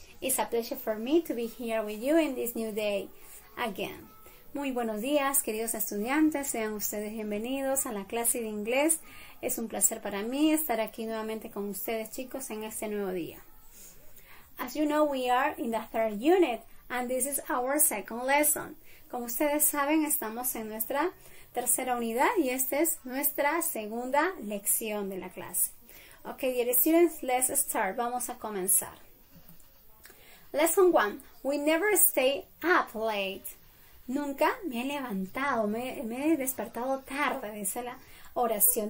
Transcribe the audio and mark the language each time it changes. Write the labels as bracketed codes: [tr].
[en] It's a pleasure for me to be here with you in this new day again. [es] Muy buenos días, queridos estudiantes. Sean ustedes bienvenidos a la clase de inglés. Es un placer para mí estar aquí nuevamente con ustedes, chicos, en este nuevo día. [en] As you know, we are in the third unit, and this is our second lesson. [es] Como ustedes saben, estamos en nuestra tercera unidad y esta es nuestra segunda lección de la clase. [en] Okay, dear students, let's start. [es] Vamos a comenzar. [en] Lesson 1. We never stay up late. [es] Nunca me he levantado, me he despertado tarde, dice la oración.